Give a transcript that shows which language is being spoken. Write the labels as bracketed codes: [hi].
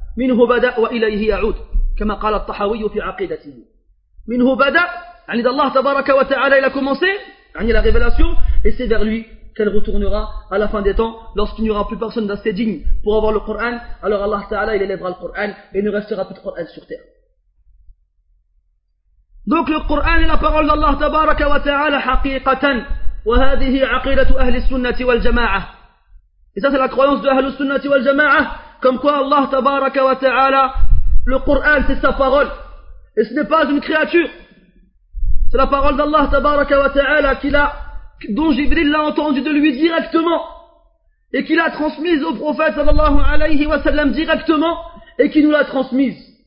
[ar] منه بدأ وإليه يعود كما قال الطحاوي في عقيدته منه بدأ يعني إذا الله تبارك وتعالى إلى [fr] commencé [ar] يعني [fr] la révélation et c'est vers lui qu'elle retournera à la fin des temps lorsqu'il n'y aura plus personne d'assez digne pour avoir le Coran alors Allah تعالى il élèvera le Coran et ne restera plus de Coran sur terre. Donc le Coran est la parole d'Allah [ar] تبارك وتعالى حقيقة وهذه عقيدة أهل السنة والجماعة. [fr] Et ça c'est la croyance de [ar] أهل السنة والجماعة. [fr] Comme quoi Allah tabaraka wa ta'ala, le Coran c'est sa parole. Et ce n'est pas une créature. C'est la parole d'Allah tabaraka wa ta'ala dont Jibril l'a entendu de lui directement. Et qu'il a transmise au prophète sallallahu alayhi wa sallam directement. Et qui nous l'a transmise.